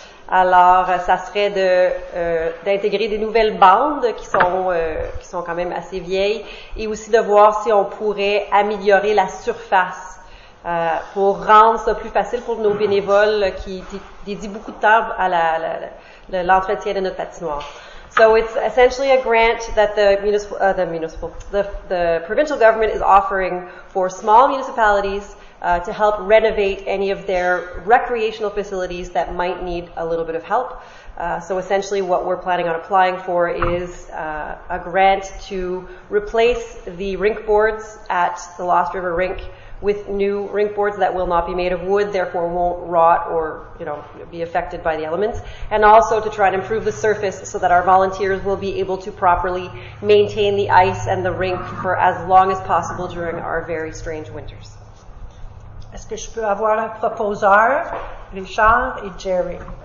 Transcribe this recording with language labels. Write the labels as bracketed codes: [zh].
[fr] Alors, ça serait d'intégrer des nouvelles bandes qui sont quand même assez vieilles, et aussi de voir si on pourrait améliorer la surface pour rendre ça plus facile pour nos bénévoles qui dédient beaucoup de temps à l'entretien de notre patinoire. [en] So it's essentially a grant that the provincial government is offering for small municipalities to help renovate any of their recreational facilities that might need a little bit of help. So essentially what we're planning on applying for is a grant to replace the rink boards at the Lost River Rink with new rink boards that will not be made of wood, therefore won't rot or, you know, be affected by the elements, and also to try and improve the surface so that our volunteers will be able to properly maintain the ice and the rink for as long as possible during our very strange winters. [fr] Est-ce que je peux avoir un proposeur, Richard et Jerry?